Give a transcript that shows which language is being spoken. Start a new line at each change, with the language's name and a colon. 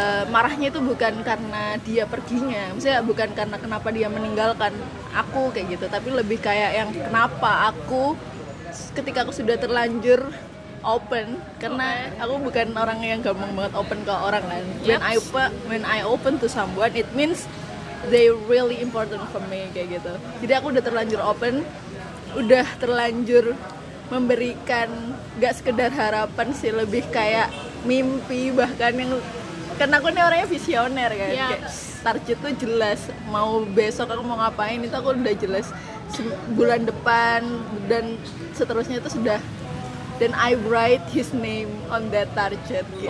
Indonesian: Marahnya itu bukan karena dia perginya. Maksudnya bukan karena kenapa dia meninggalkan aku kayak gitu, tapi lebih kayak yang kenapa aku ketika aku sudah terlanjur open, karena aku bukan orang yang gampang banget open ke orang lain.
English: When I open to someone, it means they really important for me
Indonesian: kayak gitu. Jadi aku udah terlanjur open, udah terlanjur memberikan gak sekedar harapan sih, lebih kayak mimpi bahkan, yang karena aku ini orangnya visioner kan. Yeah. Kayak target tuh jelas, mau besok aku mau ngapain itu aku udah jelas, bulan depan dan seterusnya itu sudah,
English: then I write his name on that target
Indonesian: gitu.